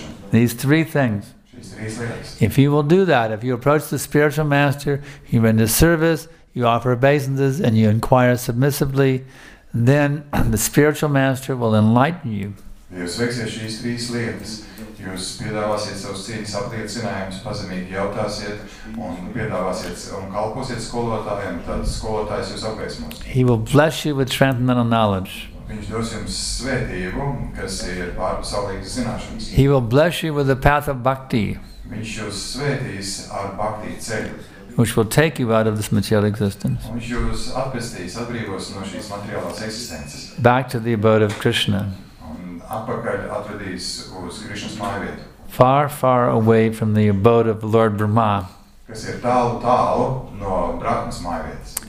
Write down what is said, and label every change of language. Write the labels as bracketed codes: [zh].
[en] These three things. If you will do that, if you approach the spiritual master, you render service, you offer obeisances, and you inquire submissively, then the spiritual master will enlighten you. [lv] Jūs veiksiet šīs trīs lietas. Jūs piedāvāsiet savus cieņas apliecinājumus, pazemīgi jautāsiet un piedāvāsiet un kalposiet skolotājiem, tad skolotājs jūs apgaismos. [en] He will bless you with transcendental knowledge. [lv] Viņš dos jums svētību, kas ir pārpasaulīgas zināšanas. [en] He will bless you with the path of bhakti. [lv] Viņš jūs svētīs ar bhakti ceļu, [en] which will take you out of this material existence. [lv] Un jūs atpestīs, atbrīvos no šīs materiālās eksistences. [en] Back to the abode of Krishna. [lv] Un atpakaļ atvedīs uz Krishnas mājvietu. [en] Far, far away from the abode of Lord Brahmā. [lv] Kas ir tālu, tālu no Brahmas mājvietas.